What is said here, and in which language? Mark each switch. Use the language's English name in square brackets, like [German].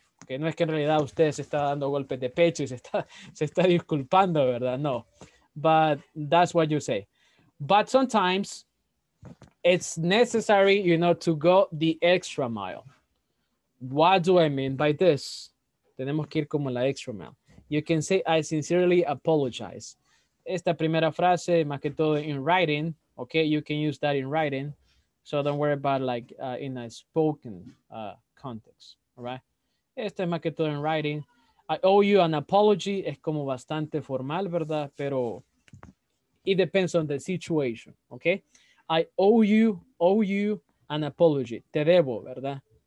[Spanish] Que no es que en realidad usted se está dando golpes de pecho y se está disculpando, ¿verdad? [English] No. But that's what you say. But sometimes it's necessary, you know, to go the extra mile. What do I mean by this? [Spanish] Tenemos que ir como la [English] extra mile. You can say, I sincerely apologize. [Spanish] Esta primera frase, más que todo [English] in writing, okay? You can use that in writing. So don't worry about like in a spoken context, all right? [Spanish] Esta es más que todo en [English] writing. I owe you an apology. [Spanish] Es como bastante formal, ¿verdad? Pero [English] it depends on the situation, okay? I owe you an apology. [Spanish] Te debo, ¿verdad?